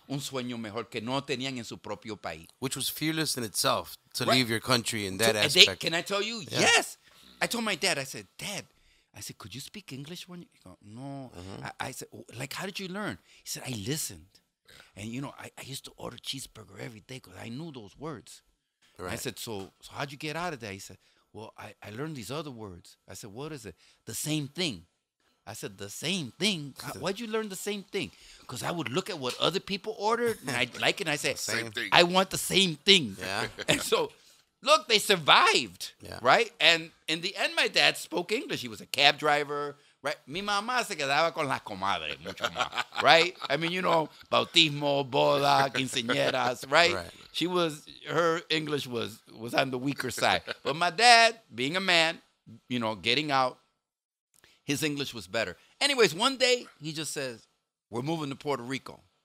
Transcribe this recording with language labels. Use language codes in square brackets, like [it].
[es] Un sueño mejor que no tenían en su propio país. [en] Which was fearless in itself to, right, leave your country in that aspect. Can I tell you? Yeah. Yes. I told my dad, I said, Dad, I said, could you speak English when you go? No. Mm-hmm. I said, like, how did you learn? He said, I listened. Yeah. And, you know, I used to order cheeseburger every day because I knew those words. Right. I said, so how'd you get out of that? He said, well, I learned these other words. I said, what is it? The same thing. I said, the same thing? Why'd you learn the same thing? Because I would look at what other people ordered, and I'd like it, and I said, same thing. I want the same thing. Yeah. And so, look, they survived, yeah, right? And in the end, my dad spoke English. He was a cab driver, right? [es] Mi mamá se quedaba con la comadre, mucho más, [en] right? I mean, you know, [es] bautismo, boda, quinceañeras, [en] right? She was, her English was on the weaker side. But my dad, being a man, you know, getting out, his English was better. Anyways, one day, he just says, we're moving to Puerto Rico.